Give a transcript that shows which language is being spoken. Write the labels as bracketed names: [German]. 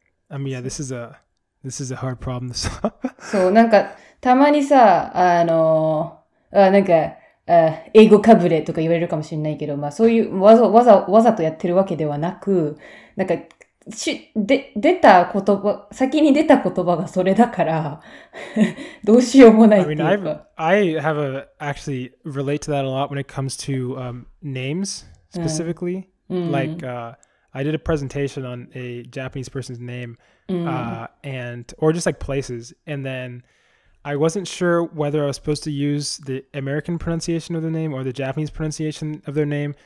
[English] I mean, yeah, this is a hard problem. [Japanese] そう、なんかたまにさ、なんか、英語かぶれとか言われるかもしれないけど、まあそういうわざとやってるわけではなく、なんか、出た言葉、先に出た言葉がそれだから、どうしようもないっていうか。 [English] I mean, I have actually relate to that a lot when it comes to names specifically. Like, I did a presentation on a Japanese person's name, and or just like places, and then I wasn't sure whether I was supposed to use the American pronunciation of the name or the Japanese pronunciation of their name.